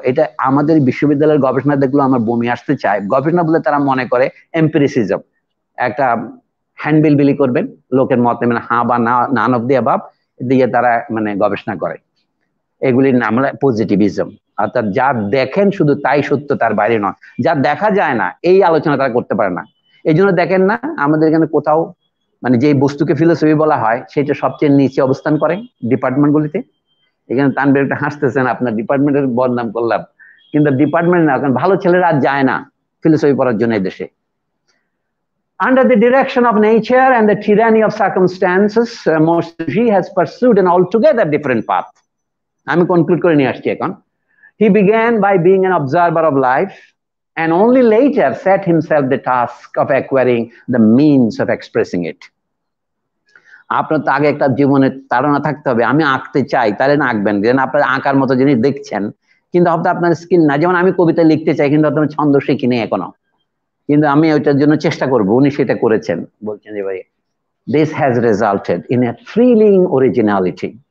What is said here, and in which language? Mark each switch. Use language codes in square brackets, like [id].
[bn] এটা আমাদের বিশ্ববিদ্যালয়ের গবেষণা দেখলেও আমার বমি আসতে চায়, গবেষণা বলে তারা মনে করে এম্পিরিসিজম, একটা হ্যান্ডবিল বিলি করবেন লোকের মতে, মানে হা বা না, [en] none of the above [bn] দিয়ে তারা মানে গবেষণা করে, এগুলির নাম হলো পজিটিভিজম, অর্থাৎ যা দেখেন শুধু তাই সত্য তার বাইরে নয়, যা দেখা যায় না এই আলোচনা তারা করতে পারে না, এই জন্য দেখেন না আমাদের এখানে কোথাও মানে যে বস্তুকে ফিলোসফি বলা হয় সেটা সবচেয়ে নিচে অবস্থান করে ডিপার্টমেন্টগুলিতে। এখানে তানবীর একটা হাসতেছেন আপনার ডিপার্টমেন্টের বদনাম করলাম, কিন্তু ডিপার্টমেন্ট না, কারণ ভালো ছেলেরা আর যায় না ফিলোসফি পড়ার জন্য এদেশে। [en] Under the direction of nature and the tyranny of circumstances, Moshe has pursued an altogether different path. I'm concluding here next week. He began by being an observer of life and only later set himself the task of acquiring the means of expressing it. [bn] আপনার তো আগে একটা জীবনের তাড়না থাকতে হবে, আমি আঁকতে চাই তাহলে আঁকবেন, যেন আপনার আঁকার মতো জিনিস দেখছেন কিন্তু হবে আপনার স্কিল না, যেমন আমি কবিতা লিখতে চাই কিন্তু আপনার ছন্দ শিখিনি এখনো, কিন্তু আমি ওইটার জন্য চেষ্টা করবো, উনি সেটা করেছেন, বলছেন যে ভাই [en] this has resulted in a thrilling originality